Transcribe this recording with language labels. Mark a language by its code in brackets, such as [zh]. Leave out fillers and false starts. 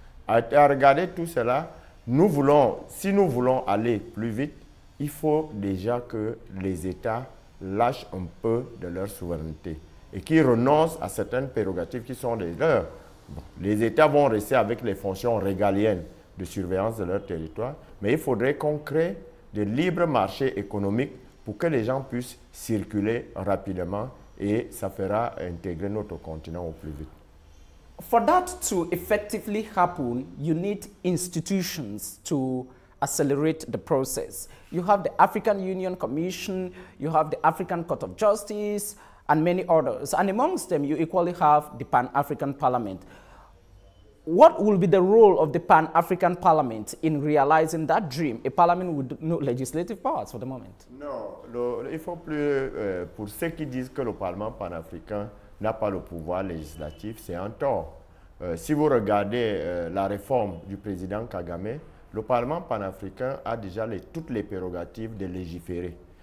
[fr] À regarder tout cela, nous voulons, si nous voulons aller plus vite, il faut déjà que les États lâchent un peu de leur souveraineté et qu'ils renoncent à certaines prérogatives qui sont des leurs. Bon, les États vont rester avec les fonctions régaliennes de surveillance de leur territoire, mais il faudrait qu'on crée des libres marchés économiques pour que les gens puissent circuler rapidement et ça fera intégrer notre continent au plus vite. [en] For that to effectively happen, you need institutions to accelerate the process. You have the African Union Commission, you have the African Court of Justice, and many others. And amongst them, you equally have the Pan-African Parliament. What will be the role of the Pan-African Parliament in realizing that dream? A parliament with no legislative powers for the moment. [fr] No, il faut plus, pour ceux qui disent que le Parlement pan-africain n'a pas le pouvoir législatif, c'est un tort. Si vous regardez la réforme du président Kagame, le Parlement panafricain a déjà toutes les prérogatives de légiférer.